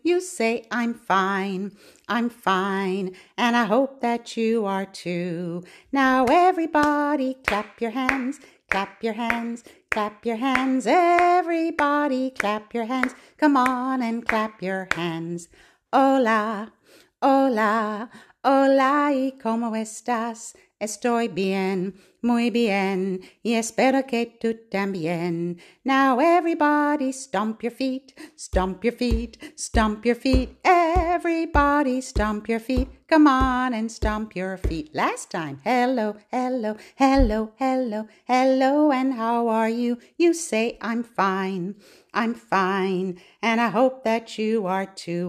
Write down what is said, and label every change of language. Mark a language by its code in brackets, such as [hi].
[en] You say, I'm fine, and I hope that you are too. Now everybody clap your hands, everybody clap your hands. Come on and clap your hands. [es] Hola, hola, hola, y cómo estás? Estoy bien, muy bien, y espero que tú también. [en] Now everybody stomp your feet, stomp your feet, stomp your feet. Everybody stomp your feet, come on and stomp your feet. Last time, hello, hello, hello, hello, hello, and how are you? You say, I'm fine, and I hope that you are too.